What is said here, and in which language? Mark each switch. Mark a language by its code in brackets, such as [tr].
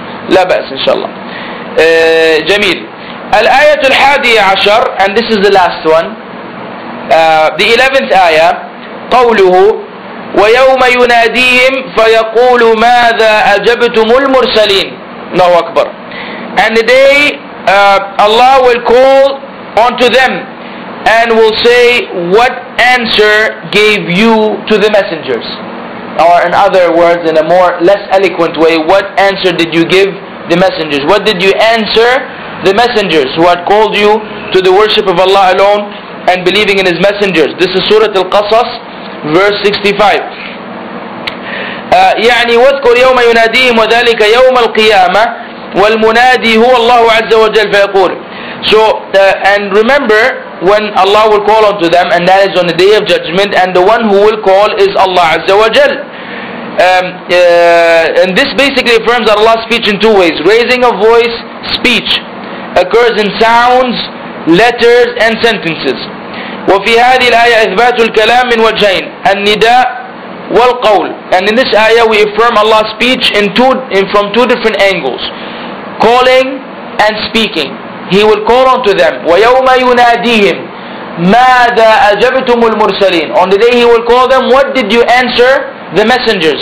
[ar] لا بأس, inshallah. جميل. الآية الحادية عشر, [en] and this is the last one, the 11th [ar] آية, قوله ويوم يناديهم فيقول ماذا أجبتم المرسلين. الله أكبر. [en] And the day Allah will call unto them and will say, what answer gave you to the messengers? Or in other words, in a more less eloquent way, what answer did you give the messengers? What did you answer the messengers who had called you to the worship of Allah alone and believing in His messengers? This is Surah Al-Qasas, verse 65. [ar] يعني واذكر يوم يناديهم وذلك يوم القيامة والمنادي هو الله عز وجل فيقول. [en] So and remember when Allah will call unto them, and that is on the day of judgment, and the one who will call is Allah Azza wa Jal. And this basically affirms that Allah's speech in two ways. Raising of voice, speech occurs in sounds, letters, and sentences. [ar] وفي هذه الآية إثبات الكلام من وجهين النداء والقول. [en] And in this ayah we affirm Allah's speech from two different angles, calling and speaking. He will call unto them. [ar] وَيَوْمَ يُنَادِيهِمْ مَاذَا أَجَبْتُمُ الْمُرْسَلِينَ. [en] On the day he will call them, what did you answer the messengers?